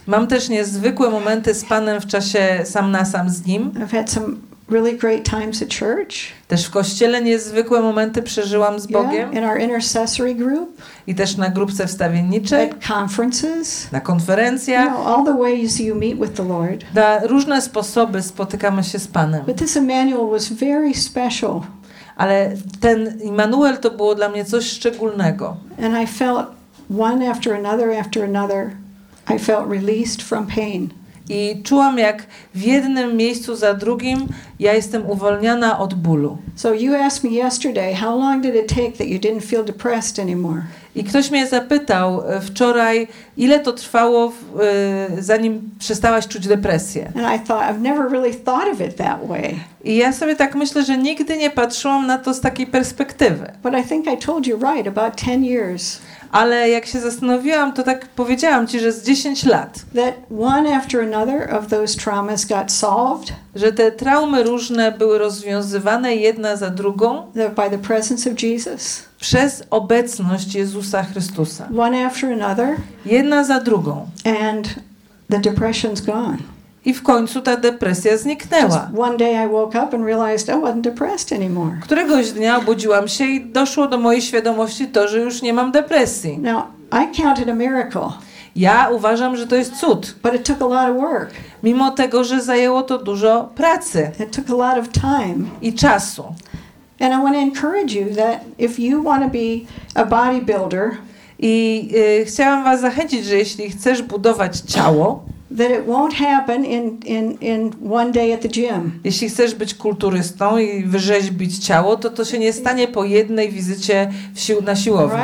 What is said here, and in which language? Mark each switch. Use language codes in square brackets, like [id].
[pl] Mam też niezwykłe momenty z Panem w czasie sam na sam z Nim. [en] I've had some really great times at church. [pl] Też w kościele niezwykłe momenty przeżyłam z Bogiem. [en] Yeah, in our intercessory group. [pl] I też na grupce wstawienniczej. [en] At conferences. [pl] Na konferencjach. [en] You know, all the ways you meet with the Lord. [pl] Na różne sposoby spotykamy się z Panem. [en] But this Emmanuel was very special. [pl] Ale ten Immanuel to było dla mnie coś szczególnego. [en] And I felt one after another, I felt released from pain. [pl] I czułam, jak w jednym miejscu za drugim ja jestem uwolniona od bólu. [en] So you asked me yesterday, how long did it take that you didn't feel depressed anymore? [pl] I ktoś mnie zapytał wczoraj, ile to trwało, zanim przestałaś czuć depresję. [en] And I thought, I've never really thought of it that way. [pl] I ja sobie tak myślę, że nigdy nie patrzyłam na to z takiej perspektywy. [en] But I think I told you right, about 10 years. [pl] Ale jak się zastanowiłam, to tak powiedziałam ci, że z 10 lat. [en] That one after another of those traumas got solved. [pl] Że te traumy różne były rozwiązywane jedna za drugą. [en] By the presence of Jesus. [pl] Przez obecność Jezusa Chrystusa. [en] One after another. [pl] Jedna za drugą. [en] And the depression's gone. [pl] I w końcu ta depresja zniknęła. [en] Just one day I woke up and realized I wasn't depressed anymore. [pl] Któregoś dnia obudziłam się i doszło do mojej świadomości to, że już nie mam depresji. [en] Now, I count it a miracle. [pl] Ja uważam, że to jest cud. [en] But it took a lot of work. [pl] Mimo tego, że zajęło to dużo pracy. [en] It took a lot of time. [pl] I czasu. [en] And I want to encourage you that if you want to be a bodybuilder, [pl] i chciałam was zachęcić, że jeśli chcesz budować ciało, [en] that it won't happen in one day at the gym. [pl] Jeśli chcesz być kulturystą i wyrzeźbić ciało, to się nie stanie po jednej wizycie na siłowni.